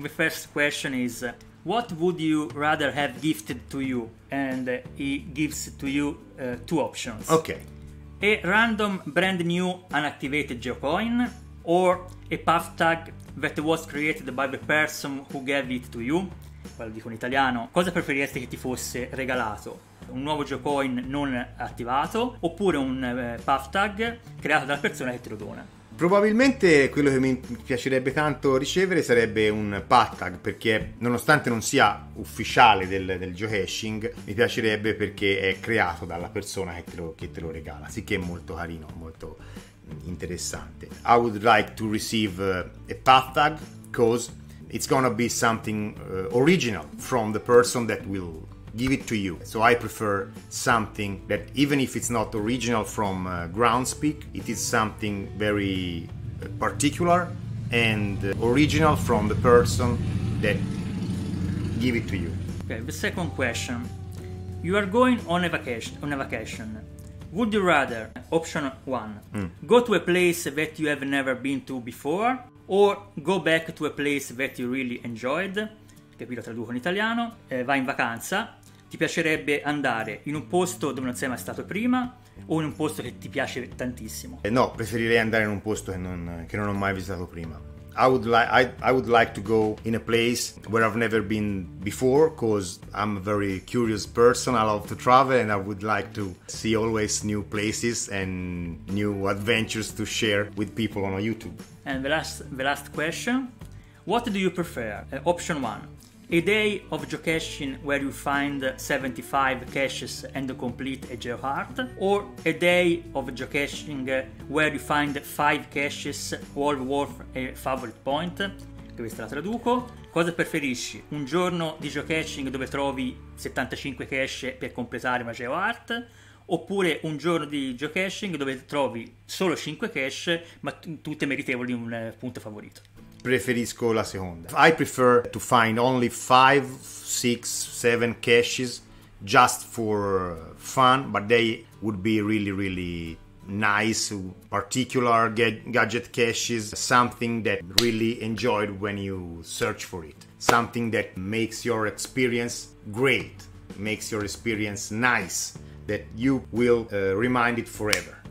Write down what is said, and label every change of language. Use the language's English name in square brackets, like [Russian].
[English] The first question is, what would you rather have gifted to you? And he gives to you two options. Ok. A random brand new unactivated GeoCoin or a puff tag that was created by the person who gave it to you? [Italian] Quello dico in italiano. Cosa preferiresti che ti fosse regalato? Un nuovo GeoCoin non attivato oppure un puff tag creato dalla persona che te lo dona? Probabilmente quello che mi piacerebbe tanto ricevere sarebbe un puff tag, perché nonostante non sia ufficiale del geocaching, mi piacerebbe perché è creato dalla persona che te lo regala, sì che è molto carino, molto interessante. [English] I would like to receive a puff tag because it's gonna be something original from the person that will give it to you. So I prefer something that, even if it's not original from Groundspeak, it is something very particular and original from the person that give it to you. Okay, the second question. You are going on a vacation. Would you rather, option one, go to a place that you have never been to before or go back to a place that you really enjoyed? [Italian] Che qui lo traduco in italiano. Vai in vacanza. Ti piacerebbe andare in un posto dove non sei mai stato prima o in un posto che ti piace tantissimo? No, preferirei andare in un posto che non ho mai visitato prima. [English] I would like to go in a place where I've never been before, because I'm a very curious person, I love to travel and I would like to see always new places and new adventures to share with people on YouTube. And the last question, what do you prefer? Option one. A day of geocaching where you find 75 caches and complete a geoheart, or a day of geocaching where you find 5 caches all worth a favorite point? [Italian] Questa la traduco. Cosa preferisci? Un giorno di geocaching dove trovi 75 cache per completare una geoheart, oppure un giorno di geocaching dove trovi solo 5 cache ma tutte meritevoli di un punto favorito? Preferisco la seconda. [English] I prefer to find only 5, 6, 7 caches just for fun, but they would be really, really nice, particular gadget caches, something that really enjoyed when you search for it, something that makes your experience great, makes your experience nice, that you will remind it forever.